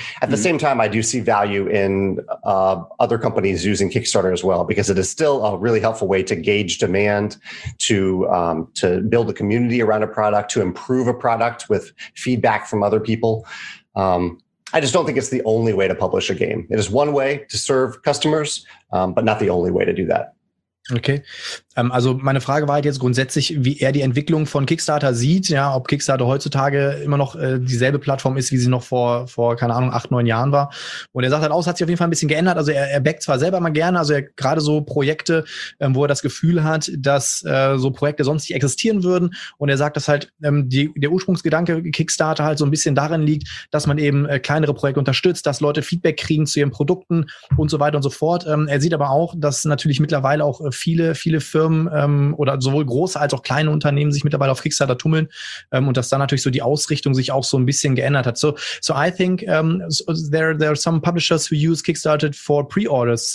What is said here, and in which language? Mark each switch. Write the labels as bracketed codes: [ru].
[en] At the same time, I do see value in other companies using Kickstarter as well, because it is still a really helpful way to gauge demand, to build a community around a product, to improve a product with feedback from other people. I just don't think it's the only way to publish a game. It is one way to serve customers, but not the only way to do that. [de] Okay, also meine Frage war halt jetzt grundsätzlich, wie er die Entwicklung von Kickstarter sieht, ja, ob Kickstarter heutzutage immer noch dieselbe Plattform ist, wie sie noch vor keine Ahnung, 8, 9 Jahren war. Und er sagt halt auch, es hat sich auf jeden Fall ein bisschen geändert. Also er backt zwar selber mal gerne, also gerade so Projekte, wo er das Gefühl hat, dass so Projekte sonst nicht existieren würden. Und er sagt, dass halt der Ursprungsgedanke Kickstarter halt so ein bisschen darin liegt, dass man eben kleinere Projekte unterstützt, dass Leute Feedback kriegen zu ihren Produkten und so weiter und so fort. Er sieht aber auch, dass natürlich mittlerweile auch viele Firmen oder sowohl große als auch kleine Unternehmen sich mittlerweile auf Kickstarter tummeln und dass da natürlich so die Ausrichtung sich auch so ein bisschen geändert hat. [en] So I think there are some publishers who use Kickstarter for pre-orders.